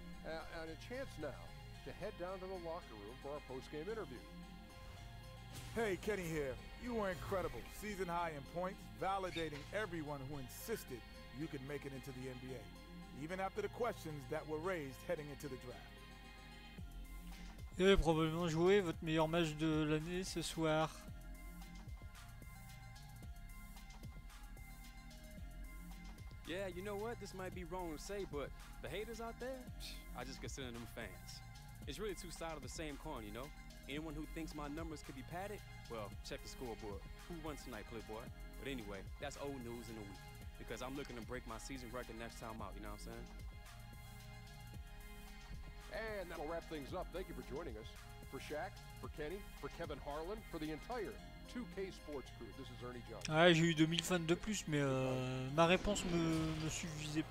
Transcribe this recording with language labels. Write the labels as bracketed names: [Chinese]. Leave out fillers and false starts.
[English] And a chance now to head down to the locker room for our post-game interview. Hey, Kenny here. You were incredible. Season high in points, validating everyone who insisted you could make it into the NBA, even after the questions that were raised heading into the draft. [French] Vous avez probablement joué votre meilleur match de l'année ce soir. [English] Yeah, you know what? This might be wrong to say, but the haters out there, I just consider them fans. It's really two sides of the same coin, you know? Anyone who thinks my numbers could be padded, Well, check the scoreboard. Who won tonight, Playboy? But anyway, that's old news in a week. Because I'm looking to break my season record next time out, you know what I'm saying? And that'll wrap things up. Thank you for joining us. For Shaq, for Kenny, for Kevin Harlan, for the entire 2K Sports crew, this is Ernie Jones. [French] Ah, j'ai eu 2000 fans de plus, mais ma réponse me suffisait.